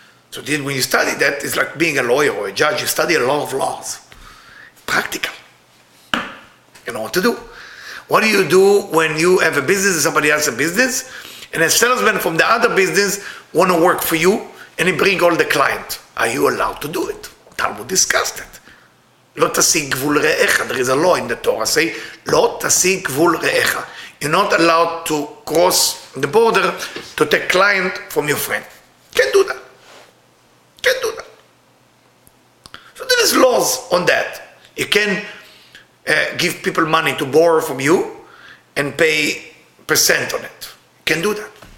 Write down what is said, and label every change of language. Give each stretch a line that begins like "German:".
English: So then when you study that, it's like being a lawyer or a judge. You study a lot of laws. Practical. You know what to do. What do you do when you have a business and somebody has a business, and a salesman from the other business want to work for you, and he bring all the clients? Are you allowed to do it? Talmud discussed it.
Hebrew: לא תשיא גבול רעך.
English: There is a law in the Torah. Say,
Hebrew: לא תשיא גבול רעך.
English: You're not allowed to cross the border to take client from your friend. Can't do that. Can't do that. So there is laws on that. You can give people money to borrow from you and pay percent on it. Can't do that.